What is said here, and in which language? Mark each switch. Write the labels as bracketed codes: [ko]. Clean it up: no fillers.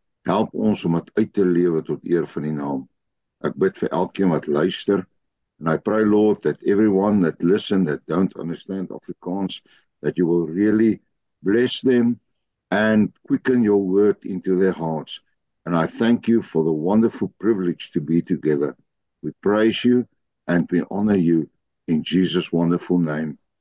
[af] Help ons om dit uit te lewe tot eer van die naam. Ek bid vir elkeen wat luister. [en] And I pray, Lord, that everyone that listen, that don't understand Afrikaans, that you will really bless them and quicken your word into their hearts. And I thank you for the wonderful privilege to be together. We praise you and we honor you in Jesus' wonderful name.